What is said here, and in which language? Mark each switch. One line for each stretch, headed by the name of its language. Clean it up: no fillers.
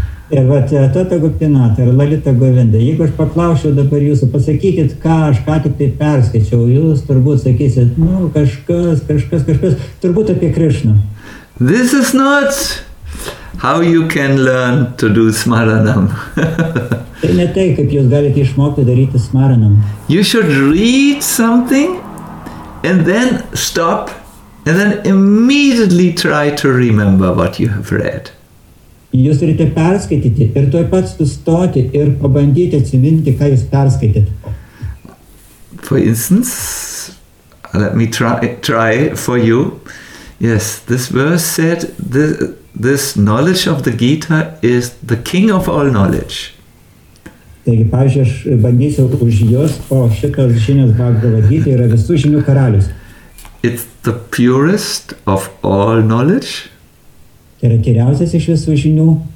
Lithuanian: Ir vat, Tota Gopinath ir Lalita Govinda, jeigu aš paklausiu dabar jūsų, pasakykit, ką aš ką tik tai perskaičiau, jūs turbūt sakysit, nu, kažkas, kažkas, kažkas, turbūt apie Krishna.
English: This is not how you can learn to do smaranam.
Lithuanian: Tai ne tai, kaip jūs galite išmokti daryti smaranam.
English: You should read something and then stop and then immediately try to remember what you have read.
Lithuanian: Jūs turite perskaityti ir tuoj pat sustoti ir pabandyti atsiminti, ką jūs perskaitėt.
English: For instance, let me try for you. Yes, this verse said this knowledge of the Gita is the king of all knowledge.
Lithuanian: Taigi, pavyzdžiui, aš bandysiu už jūs, o šitas žinias Bhagavad Gita yra visų žinių karalius.
English: It's the purest of all knowledge.
Lithuanian: Tai yra tyriausias iš visų žinių.